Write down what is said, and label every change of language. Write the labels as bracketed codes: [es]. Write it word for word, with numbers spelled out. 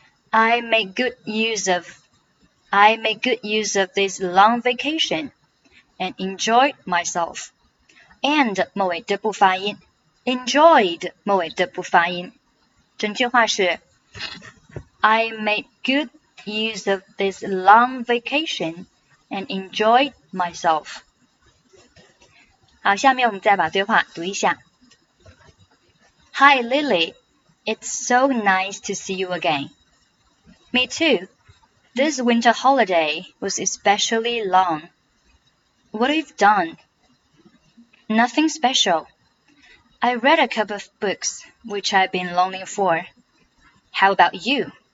[en] I make good use of, I make good use of this long vacation and enjoyed myself. And [zh] 末尾的不发音 ，enjoyed 末尾的不发音。整句话是 [en] I made good use of this long vacation and enjoyed myself. [zh] 好，下面我们再把对话读一下。 [en] Hi Lily, it's so nice to see you again. Me too. This winter holiday was especially long. What I've done? Nothing special. I read a couple of books, which I've been longing for. How about you?